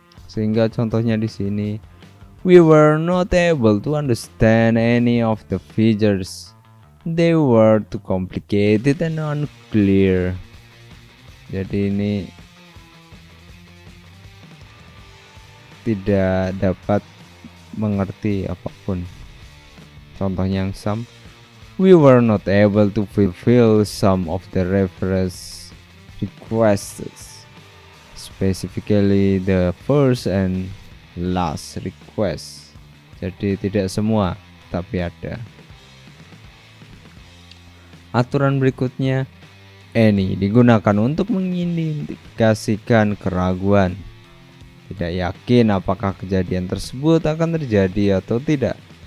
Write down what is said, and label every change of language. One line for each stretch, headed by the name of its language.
Indonesian: Sehingga contohnya di sini,
English: we were not able to understand any of the features. They were too complicated and unclear.
Indonesian: Jadi ini tidak dapat mengerti apapun. Contohnya yang
English: some, we were not able to fulfill some of the reference requests, specifically the first and last request.
Indonesian: Jadi tidak semua, tapi ada. Aturan berikutnya, any digunakan untuk mengindikasikan keraguan, tidak yakin apakah kejadian tersebut akan terjadi atau tidak.